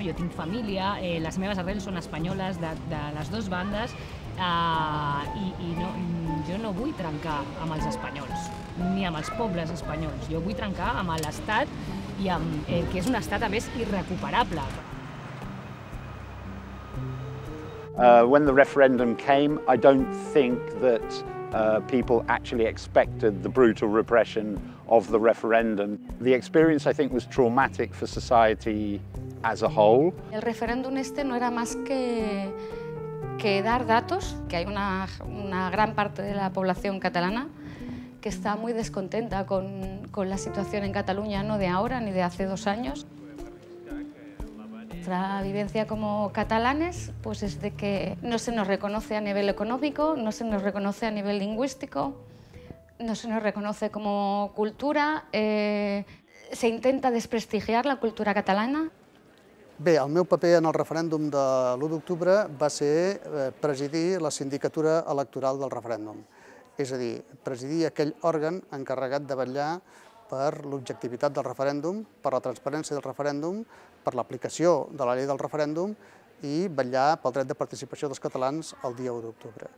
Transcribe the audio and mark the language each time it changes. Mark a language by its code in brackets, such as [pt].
[ca] Jo tinc família, les meves arrels són espanyoles de les dues bandes, i no, jo no vull trencar amb els espanyols, ni amb els pobles espanyols, jo vull trencar amb l'estat i amb, que és un estat, a més, irrecuperable. [en] When the referendum came, I don't think that people actually expected the brutal repression of the referendum. The experience, I think, was traumatic for society as a whole. [es] El referéndum este no era más que dar datos, que hay una gran parte de la población catalana que está muy descontenta con la situación en Cataluña, no de ahora ni de hace dos años. Nuestra vivencia como catalanes pues es de que no se nos reconoce a nivel económico, no se nos reconoce a nivel lingüístico, no se nos reconoce como cultura, se intenta desprestigiar la cultura catalana. [ca] Bé, el meu paper en el referèndum de l'1 d'octubre va ser presidir la sindicatura electoral del referèndum, és a dir, presidir aquell òrgan encarregat de vetllar per l'objectivitat del referèndum, per la transparència del referèndum, per l'aplicació de la llei del referèndum i vetllar pel dret de participació dels catalans el dia 1 d'octubre.